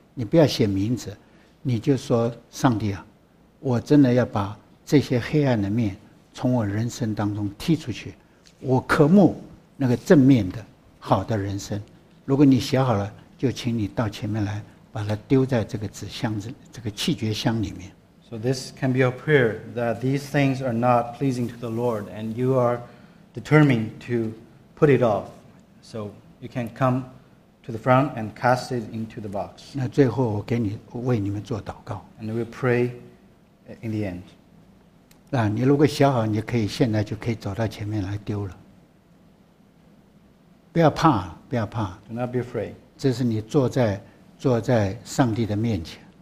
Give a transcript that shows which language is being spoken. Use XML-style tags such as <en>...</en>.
<zh>你不要写名字，你就说：“上帝啊，我真的要把这些黑暗的面从我人生当中踢出去。我渴慕那个正面的。” 好的人生，如果你写好了，就请你到前面来，把它丢在这个纸箱子、这个弃绝箱里面。</zh> <en>So this can be a prayer that these things are not pleasing to the Lord, and you are determined to put it off. So you can come to the front and cast it into the box.</en> <zh>那最后我给你为你们做祷告。</zh> <en>And we pray in the end.</en> <zh>那你如果写好，你可以现在就可以走到前面来丢了。不要怕，不要怕。</zh> <en>Do not be afraid.</en> <zh>这是你坐在上帝的面前。</zh>